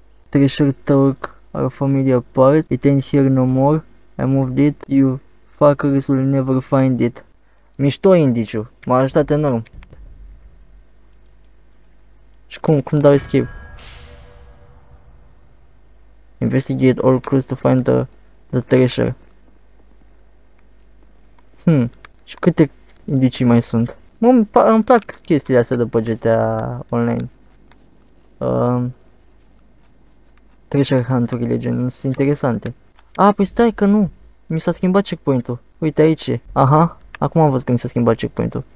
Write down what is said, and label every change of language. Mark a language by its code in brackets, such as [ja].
[en] Treasure Turk, our family apart, it ain't here no more, I moved it, you fuckers will never find it. [ro] Mișto indiciu, m-a ajutat enorm. Și cum dau escape? [en] Investigate all clues to find the treasure. [ro] Și câte indicii mai sunt? Îmi plac chestiile astea după GTA Online. Treasure Hunt-urile, gen, sunt interesante. A, păi stai că nu. Mi s-a schimbat checkpoint-ul. Uite aici. Aha, acum am văzut că mi s-a schimbat checkpoint-ul.